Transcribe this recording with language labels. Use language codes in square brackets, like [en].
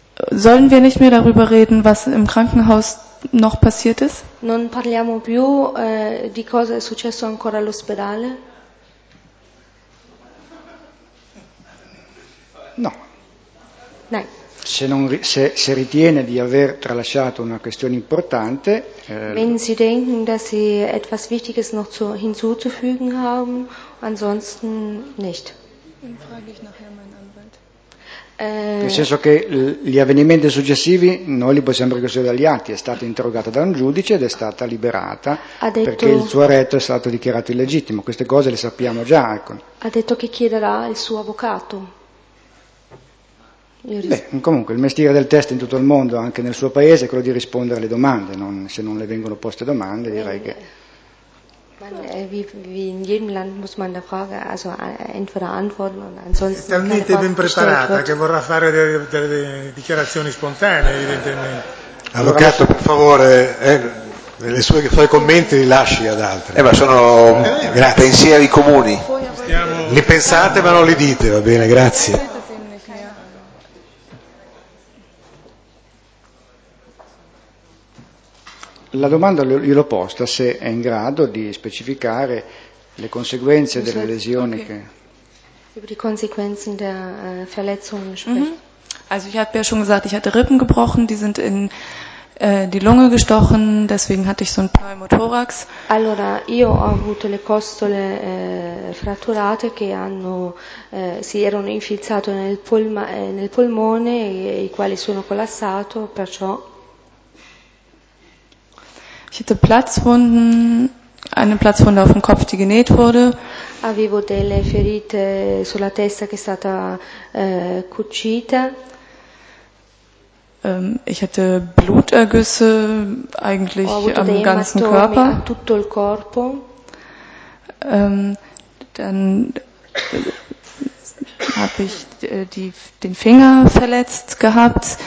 [de] Sollen wir nicht mehr darüber reden, was im Krankenhaus noch passiert ist? [it] Non parliamo più di cosa è successo ancora all'ospedale? No. [de] Nein. [it] Se ritiene di aver tralasciato una questione importante, [de] wenn Sie denken, dass Sie etwas Wichtiges noch hinzuzufügen haben, ansonsten nicht. Dann frage ich nachher meinen Anwalt. [it] Nel senso che gli avvenimenti successivi noi li possiamo ricostruire dagli atti. È stata interrogata da un giudice ed è stata liberata perché il suo arresto è stato dichiarato illegittimo. Queste cose le sappiamo già. Ecco. Ha detto che chiederà il suo avvocato. Comunque il mestiere del test in tutto il mondo, anche nel suo paese, è quello di rispondere alle domande, non, se non le vengono poste domande direi che... [de] Wie in jedem Land muss man der Frage also entweder antworten und ansonsten. [it] È talmente ben preparata che vorrà fare delle dichiarazioni spontanee, evidentemente. Avvocato, per favore, le sue suoi commenti li lasci ad altri. Ma sono pensieri comuni. Li pensate ma non li dite, va bene, grazie. La domanda gliel'ho posta se è in grado di specificare le conseguenze delle lesioni che. [de] Über die Konsequenzen der Verletzungen sprechen. Also ich habe ja schon gesagt, ich hatte Rippen gebrochen, die sind in die Lunge gestochen, deswegen hatte ich so ein Pneumothorax. [it] Allora, io ho avuto le costole fratturate che hanno si erano infilzate nel polmone i quali sono collassato, perciò. [de] Ich hatte Platzwunden, eine Platzwunde auf dem Kopf, die genäht wurde. [it] Avevo delle ferite sulla testa che è stata cucita. [de] Ich hatte Blutergüsse eigentlich am ganzen Körper. [it] A tutto il corpo. [de] Dann habe ich den Finger verletzt gehabt.